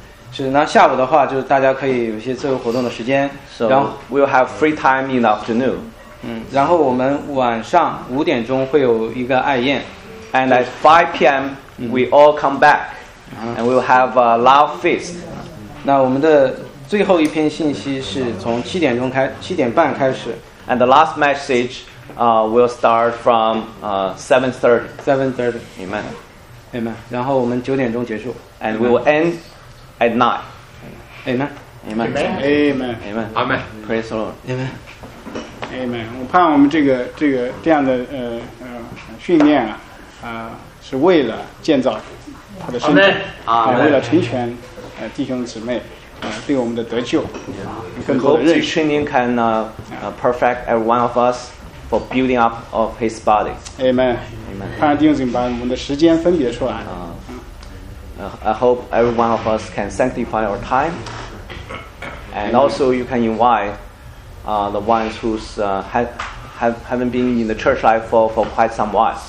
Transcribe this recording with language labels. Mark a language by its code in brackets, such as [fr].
[zh] 是，那下午的话就是大家可以有一些自由活动的时间。 [en] So we will have free time in the afternoon. [zh] 然后我们晚上5点会有一个爱宴。 [en] And at 5 p.m. we all come back. And we will have a love feast. [zh] 那我们的最后一篇信息是从7:30开始。 [en] And the last message will start from 7:30. Amen. [zh] Amen. 然后我们9点结束。 [en] And we will end at 9. Amen. Amen. Amen. Amen. Amen. Praise the Lord. Amen. Amen. [zh] 我盼望我们这个这样的训练啊，是为了建造他的身体，啊，为了成全弟兄姊妹。对我们的得救，更多的认识。 [en] Training can perfect every one of us for building up of his body. Amen. Amen. [zh] 盼望弟兄姊妹把我们的时间分别出来。 [en] I hope every one of us can sanctify our time, and also you can invite the ones who's haven't been in the church life for quite some while.